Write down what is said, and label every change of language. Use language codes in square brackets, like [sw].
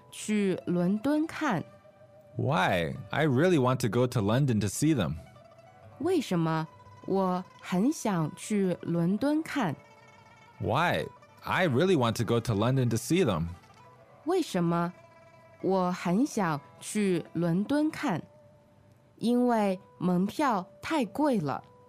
[zh] 但是我不看奥运会。为什么我很想去伦敦看？ [en] Why? I really want to go to London to see them. [zh] 为什么我很想去伦敦看？ [en] Why? I really want to go to London to see them. [zh] 为什么我很想去伦敦看？因为门票太贵了。